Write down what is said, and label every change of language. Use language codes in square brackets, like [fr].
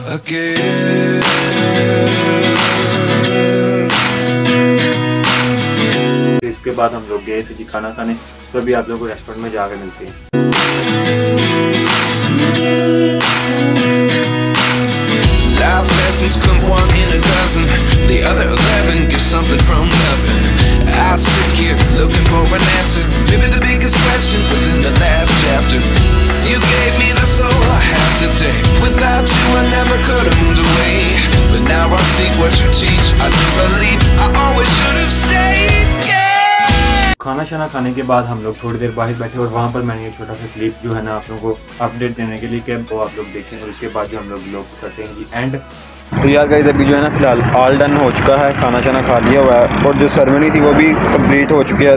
[hi] इसके बाद हम लोग गए थे जी खाना खाने, तो अभी आप लोगों को रेस्टोरेंट में जाकर मिलते हैं। [en] Life lessons come one in a dozen, the other 11 give something from nothing. I sit here looking for an answer, maybe the biggest question was in the last chapter. You gave me the soul I have today, without you I never could have moved away. But now I see what you teach, I do believe I always should have stayed, yeah. [hi] खाना शाना खाने के बाद हम लोग थोड़ी देर बाहर बैठे और वहाँ पर मैंने ये छोटा सा क्लिप जो है ना आप लोगों को अपडेट देने के लिए कि वो आप लोग देखें और उसके बाद जो हम लोग ब्लॉग करते हैं जी एंड। तो यार गाइस अभी जो है ना फिलहाल [en] all done [hi] हो चुका है, खाना शाना खा लिया हुआ है और जो सेरेमनी थी वो भी कम्प्लीट हो चुकी है।